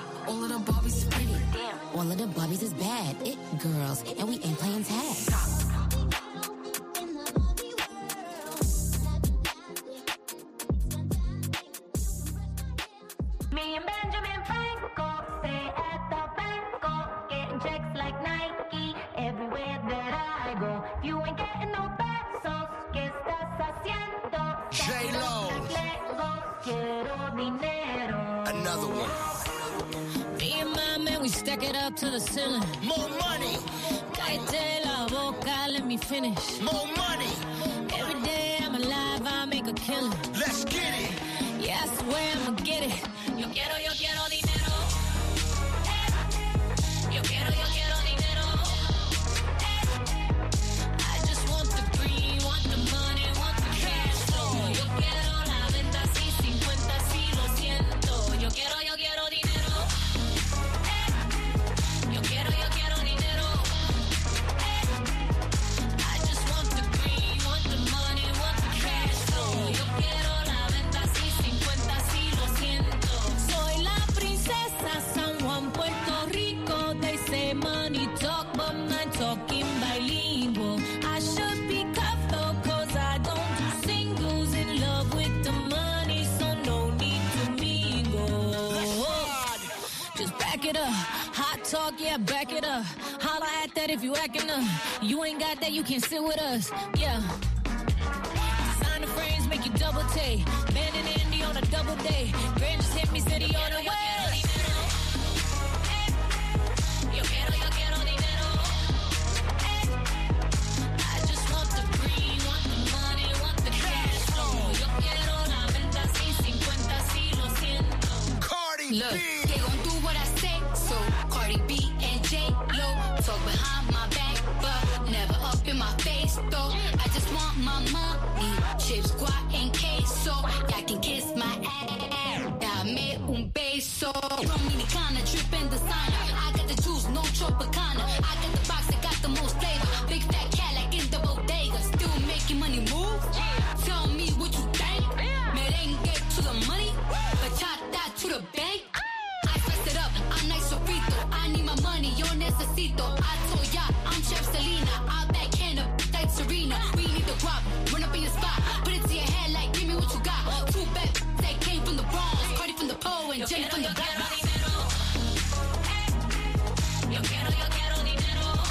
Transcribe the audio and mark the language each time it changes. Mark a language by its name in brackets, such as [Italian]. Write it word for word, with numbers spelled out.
[English] All of the Barbies is pretty. Damn. All of the Barbies is bad. It girls, and we ain't playing tag. Me and Benjamin Franco stay at the Franco, getting checks like Nike everywhere that I go. If you ain't getting no pesos, [Spanish] ¿qué estás haciendo? [English] J-Lo. [Spanish] Quiero dinero. [English] Another one. Me and my man, we stack it up to the ceiling. More money. [Spanish] Cállate la boca, [English] let me finish. More money. Every day I'm alive, I make a killing. Let's get it. Yeah, I swear I'ma get it. [Spanish] Yo quiero, yo quiero dinero. Yo quiero, yo quiero dinero. [English] I just want the green, want the money, want the cash flow. [Spanish] Yo quiero la venta, si cincuenta, si lo siento. Yo quiero, yo quiero dinero. Yo quiero, yo quiero dinero. [English] I just want the green, want the money, want the cash flow. [Spanish] Yo quiero la venta, si cincuenta, si lo siento. Soy la princesa San Juan, Puerto Rico. [English] They say money talk, but my talking bilingual. I should be careful, cause I don't do singles. In love with the money, so no need to mingle. Just back it up. Hot talk, yeah, back it up. Holla at that if you acting up. You ain't got that, you can sit with us. Yeah. Designer frames make you double take. Ben and Andy on a double day. Grand just hit me, said he on the way. [Spanish] Yo quiero, yo quiero dinero. [English] I just want the green, want the money, want the cash flow. [Spanish] Yo quiero la venta, si cincuenta, si lo siento. [English] Cardi B. Look, they gon' do what I say, so Cardi B and J-Lo talk behind my back, but never up in my face, though. I just want my money, chips, guac, and queso. Y'all can kiss my ass, [Spanish] dame un beso. [English] Dominicana, trippin' designer, I got the juice, no Tropicana. I got the box, I got the most flavor. Big fat cat like in the bodega, still making money move. Tell me what you think, merengue to the money, bachata to the bank. I fess it up, I'm nice sofrito. I need my money, [Spanish] yo necesito. [English] I told ya, I'm Chef Selena. I backhand up, like Serena. We need the guap, run up in your spot. Put it to your head like, give me what you got. Two bad that came from the Bronx, Cardi from the pole and Jenny from the block. [Spanish] Yo quiero, yo quiero dinero.